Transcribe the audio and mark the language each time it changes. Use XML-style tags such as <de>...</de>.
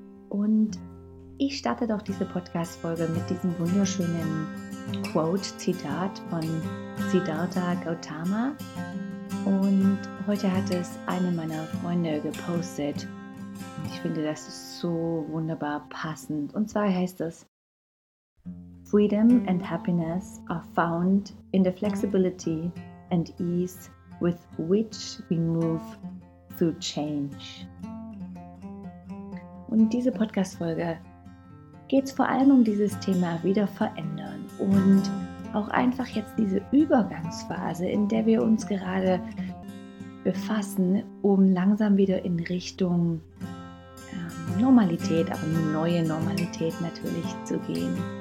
<de>Und ich starte doch diese Podcast-Folge mit diesem wunderschönen Quote-Zitat von Siddhartha Gautama. Und heute hat es eine meiner Freunde gepostet. Ich finde, das ist so wunderbar passend. Und zwar heißt es:</de> <en>Freedom and happiness are found in the flexibility and ease with which we move through change.</en> <de>Und diese Podcast-Folge geht es vor allem um dieses Thema wieder verändern und auch einfach jetzt diese Übergangsphase, in der wir uns gerade befassen, um langsam wieder in Richtung Normalität, aber eine neue Normalität natürlich zu gehen.</de>